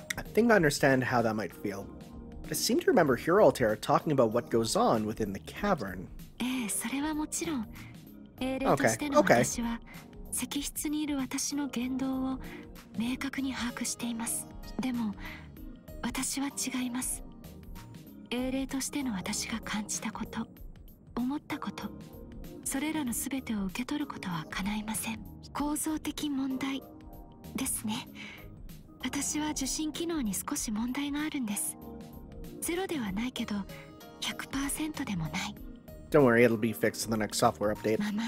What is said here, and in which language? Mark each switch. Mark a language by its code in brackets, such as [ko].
[en] I think I understand how that might feel. But I seem to remember Hero Altera talking about what goes on within the cavern. [ja] それはもちろん、英霊としての私は石室にいる私の言動を明確に把握しています。でも、私は違います。英霊としての私が感じたこと、思ったこと、それらのすべてを受け取ることは叶いません。構造的問題ですね。私は受信機能に少し問題があるんです。ゼロではないけど 100% でもない。 [en] Don't worry, it'll be fixed in the next software update.